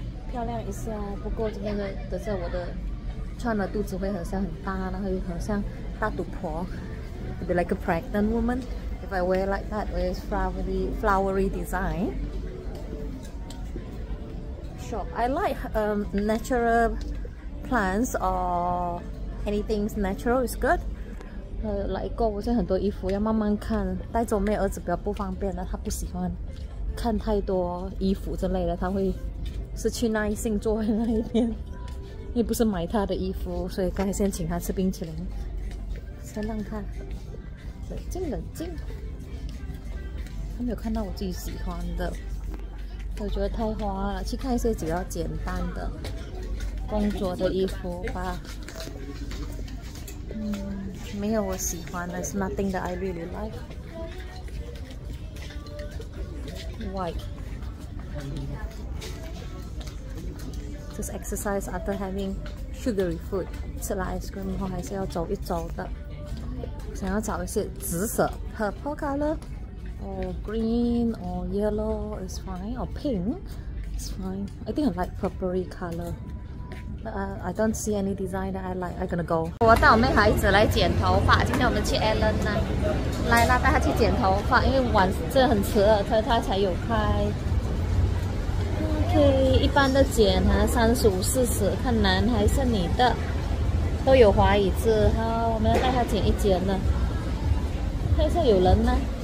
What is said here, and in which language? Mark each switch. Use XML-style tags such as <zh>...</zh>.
<zh>漂亮一下，不过这边的是我的。穿了肚子会很像很大，然后又很像大肚婆</zh> <en>，I'd be like a pregnant woman if I wear like that with flowery design. Sure, I like natural plants or anything natural is good.</en> <zh>来过，我现在很多衣服要慢慢看，带着我妹儿子比较不方便的，她不喜欢看太多衣服之类的，她会失去耐性坐在那一边。又不是买他的衣服，所以刚才先请他吃冰淇淋，先让他冷静冷静。他没有看到我自己喜欢的，我觉得太花了，去看一些比较简单的工作的衣服吧。没有我喜欢的 ，</zh> <en>It's nothing that I really like. White. Just exercise after having sugary food.</en> <zh>吃了 ice cream 后还是要走一走的。想要找一些紫色</zh> <en>purple color, or green or yellow is fine, or pink is fine. I think I like purpley color. I don't see any design that I like. I'm gonna go.</en> <zh>我带我妹孩子来剪头发。今天我们去 Allen 呢，来啦，带她去剪头发。因为晚这很迟了，她才有开。OK， 一般的剪哈，35-40，看男还是女的。都有华语字。好，我们要带他剪一剪呢，看一下有人吗？</zh>